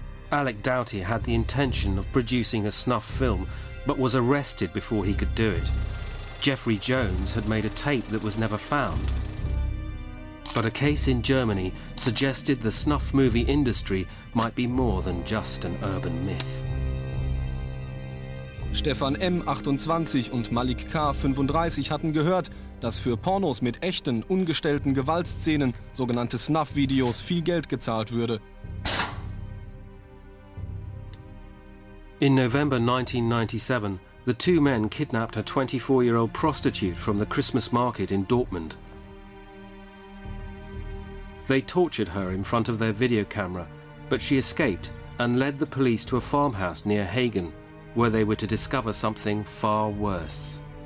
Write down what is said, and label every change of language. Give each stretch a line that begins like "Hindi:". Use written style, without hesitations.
English: Alec Doughty had the intention of producing a snuff film, but was arrested before he could do it. Jeffrey Jones had made a tape that was never found. But a case in Germany suggested the snuff movie industry might be more than just an urban myth.
German: Stefan M. 28 und Malik K. 35 hatten gehört, dass für Pornos mit echten, ungestellten Gewaltszenen, sogenannte Snuff-Videos, viel Geld gezahlt würde.
English: In November 1997, the two men kidnapped a 24-year-old prostitute from the Christmas market in Dortmund. They tortured her in front of their video camera, but she escaped and led the police to a farmhouse near Hagen, where they were to discover something far worse.